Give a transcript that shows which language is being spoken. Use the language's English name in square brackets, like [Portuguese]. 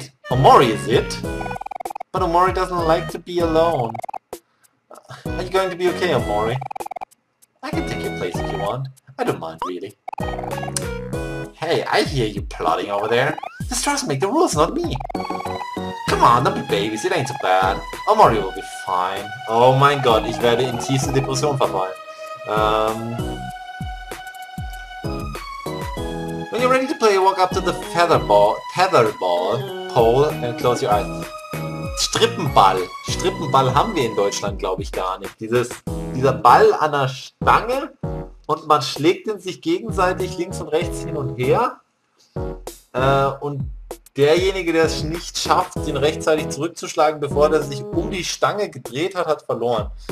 [English] Omori, is it? But Omori doesn't like to be alone. Are you going to be okay, Omori? I can take your place if you want. I don't mind, really. Hey, I hear you plotting over there. Just trust me, the rules, not me. Come on, don't be babies, it ain't so bad. Omori will be fine. Oh my god, [German] ich werde in tiefste Depression verfallen. [English] When you're ready to play, walk up to the tetherball pole and close your eyes. [German] Strippenball. Strippenball haben wir in Deutschland, glaube ich, gar nicht. Dieser Ball an der Stange und man schlägt ihn sich gegenseitig links und rechts hin und her. Und derjenige, der es nicht schafft, ihn rechtzeitig zurückzuschlagen, bevor er sich um die Stange gedreht hat, hat verloren.